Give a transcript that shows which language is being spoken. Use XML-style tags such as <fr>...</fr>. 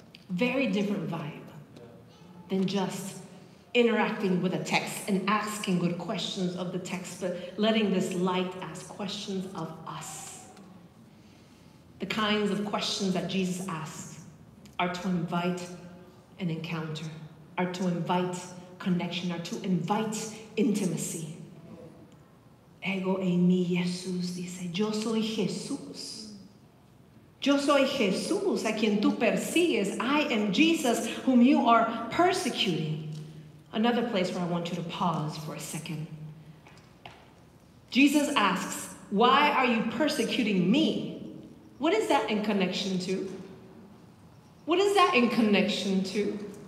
<en>Very different vibe than just interacting with a text and asking good questions of the text, but letting this light ask questions of us. The kinds of questions that Jesus asked are to invite an encounter, are to invite connection, are to invite intimacy.</en> <es>Ego en mi Jesús, dice, yo soy Jesús. Yo soy Jesús a quien tú persigues.</es> <en>I am Jesus whom you are persecuting. Another place where I want you to pause for a second. Jesus asks, why are you persecuting me? What is that in connection to? What is that in connection to?</en>